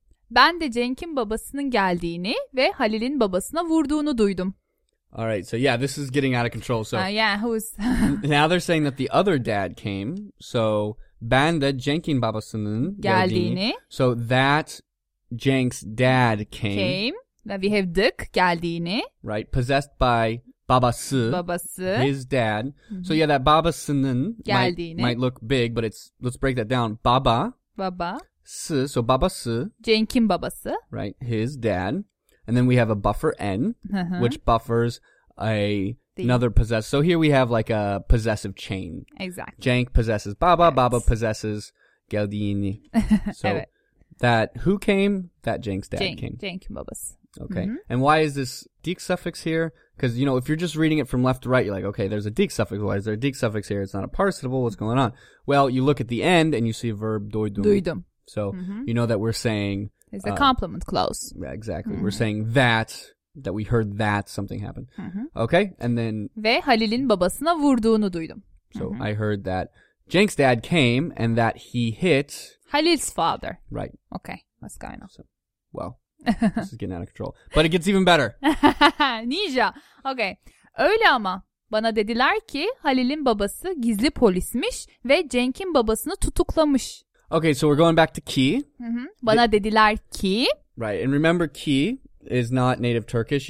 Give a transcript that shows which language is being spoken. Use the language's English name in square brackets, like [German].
[Turkish] Ben de Cenk'in babasının geldiğini ve Halil'in babasına vurduğunu duydum. [English] All right, so yeah, this is getting out of control. So who's... now they're saying that the other dad came. [Turkish] So, ben de Cenk'in babasının geldiğini. [English] So, that Cenk's dad came. That we have dık geldiğini. Right, possessed by babası. His dad. Mm-hmm. So, yeah, that babasının might look big, but let's break that down. [Turkish] Babası. So, babası. Cenk'in babası. [English] Right, his dad. And then we have a buffer N, which buffers another possessive. So here we have like a possessive chain. Exactly. Cenk possesses Baba. Yes. Baba possesses Geldiğini. So [Turkish] evet. [English] That who came? That Cenk's dad came. [Turkish] Cenk'in babası. [English] Okay. Mm-hmm. And why is this dik suffix here? Because, you know, if you're just reading it from left to right, you're like, okay, there's a dik suffix. Why is there a dik suffix here? It's not a participle. What's going on? Well, you look at the end and you see a verb duydum. [Turkish] Duydum. [English] So mm-hmm. you know that we're saying... It's a complement clause. Yeah, exactly. Mm-hmm. We're saying that we heard that something happened. Mm-hmm. Okay? And then... [Turkish] Ve Halil'in babasına vurduğunu duydum. [English] So mm-hmm. I heard that Cenk's dad came and that he hit... Halil's father. Right. Okay. That's kind of... So, well... This is getting out of control. But it gets even better. Ninja. Okay. [Turkish] Öyle ama bana dediler ki Halil'in babası gizli polismiş ve Cenk'in babasını tutuklamış. [English] Okay, so we're going back to ki. Mm-hmm. [Turkish] Bana dediler ki. [English] Right, and remember ki is not native Turkish.